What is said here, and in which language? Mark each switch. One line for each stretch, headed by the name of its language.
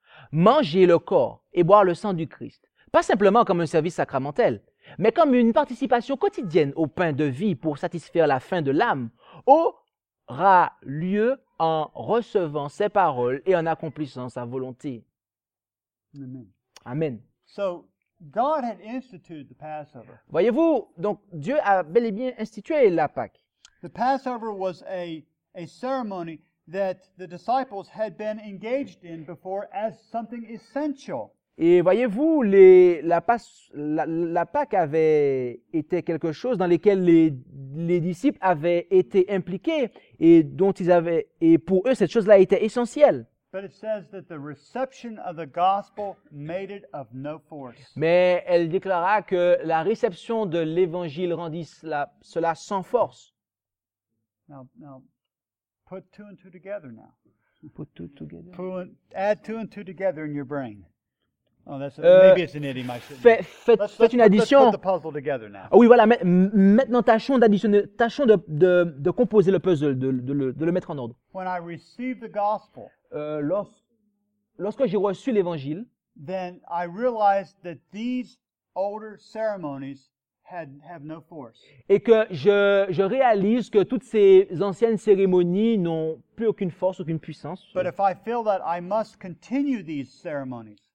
French: Manger le corps et boire le sang du Christ, pas simplement comme un service sacramentel, mais comme une participation quotidienne au pain de vie pour satisfaire la faim de l'âme, aura lieu en recevant ses paroles et en accomplissant sa volonté. » Amen. Amen.
English: So, God had instituted the Passover.
French: Voyez-vous, donc Dieu a bel et bien institué la Pâque.
English: The Passover was a ceremony that the disciples had been engaged in before as something essential.
French: Et voyez-vous, la Pâque avait été quelque chose dans lequel les disciples avaient été impliqués et dont ils avaient et pour eux cette chose-là était essentielle.
English: But it says that the reception of the gospel made it of no force.
French: Mais elle déclara que la réception de l'évangile rendit cela sans force.
English: Now, put two and two together now. Put two together. Add two and two together in your brain. Maybe it's an idiom.
French: Fait une addition.
English: Let's put the puzzle together now.
French: Oh oui, voilà. Maintenant, tâchons de composer le puzzle, de le mettre en ordre.
English: When I received the gospel.
French: Lorsque j'ai reçu l'évangile.
English: Then I realized that these older ceremonies have no force.
French: Et que je réalise que toutes ces anciennes cérémonies n'ont plus aucune force, aucune puissance.
English: But if I feel that I must continue these ceremonies.